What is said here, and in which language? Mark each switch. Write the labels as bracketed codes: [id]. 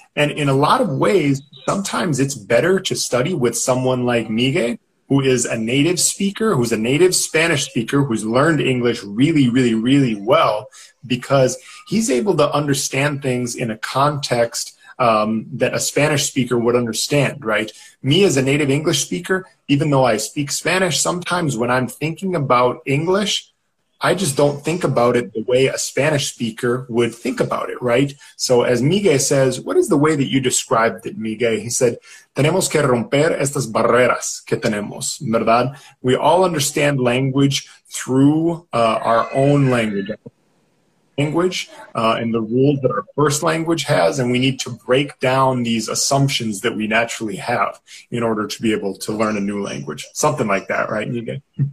[en] And in a lot of ways, sometimes it's better to study with someone like Migue, who is a native speaker, who's a native Spanish speaker, who's learned English really, really, really well, because he's able to understand things in a context that a Spanish speaker would understand, right? Me as a native English speaker, even though I speak Spanish, sometimes when I'm thinking about English, I just don't think about it the way a Spanish speaker would think about it, right? So as Migue says, what is the way that you described it, Migue? He said, [es] tenemos que romper estas barreras que tenemos, ¿verdad? [en] We all understand language through our own language. And the rules that our first language has, and we need to break down these assumptions that we naturally have in order to be able to learn a new language. Something like that, right, Migue?